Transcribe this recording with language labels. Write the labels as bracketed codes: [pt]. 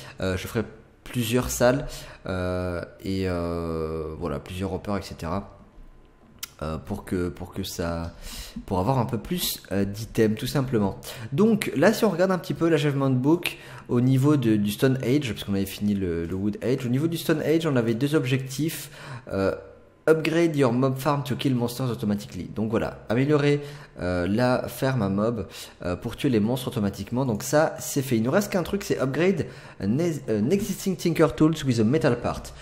[fr] Je ferai plusieurs salles et voilà plusieurs hoppers etc. Pour avoir un peu plus d'items tout simplement. Donc là si on regarde un petit peu l'achievement book au niveau du Stone Age parce qu'on avait fini le Wood Age, au niveau du Stone Age on avait deux objectifs. [en] Upgrade your mob farm to kill monsters automatically. [fr] Donc voilà, améliorer la ferme à mob pour tuer les monstres automatiquement. Donc ça, c'est fait. Il nous reste qu'un truc, c'est [en] upgrade an existing tinker tools with a metal part.